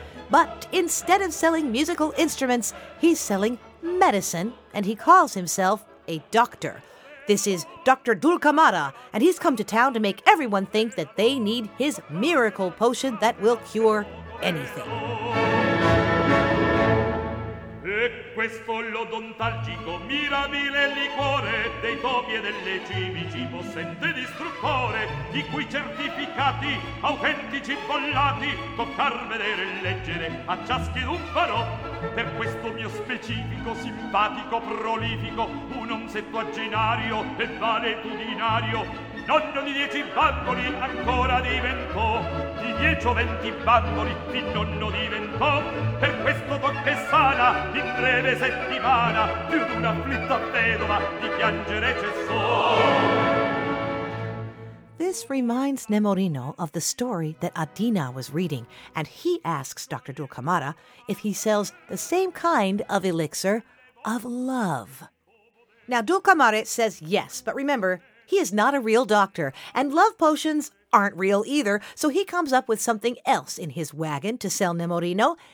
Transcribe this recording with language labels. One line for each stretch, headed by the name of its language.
English: But instead of selling musical instruments, he's selling medicine, and he calls himself a doctor. This is Dr. Dulcamara, and he's come to town to make everyone think that they need his miracle potion that will cure anything.
Italian: E questo l'odontalgico mirabile liquore dei topi e delle cimici possente distruttore di cui certificati autentici bollati toccar vedere e leggere a ciascheduno farò per questo mio specifico simpatico prolifico un onsettuagenario e valetudinario nonno di 10 bamboli ancora diventò di 10 o 20 bamboli di nonno diventò per questo tocca e sana in breve settimana più di una flitta vedova di piangere cessò.
English: This reminds Nemorino of the story that Adina was reading, and he asks Dr. Dulcamara if he sells the same kind of elixir of love. Now, Dulcamara says yes, but remember, he is not a real doctor, and love potions aren't real either, so he comes up with something else in his wagon to sell Nemorino.